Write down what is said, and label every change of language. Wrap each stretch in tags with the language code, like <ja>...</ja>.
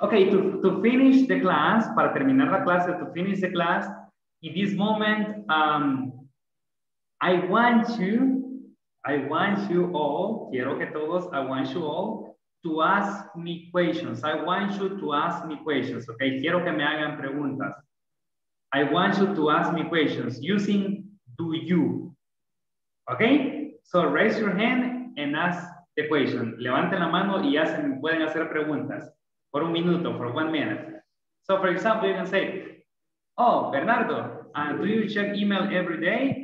<en>Okay, to finish the class,</en> <es>para terminar la clase,</es> <en>to finish the class, in this moment, I want you all to ask me questions. I want you to ask me questions, okay?</en> <es>Quiero que me hagan preguntas.</es> <en>I want you to ask me questions using do you, okay? So raise your hand and ask the question.</en> <es>Levanten la mano y hacen, pueden hacer preguntas por un minuto,</es> <en>for 1 minute. So, for example, you can say, oh, Bernardo, do you check email every day?</en>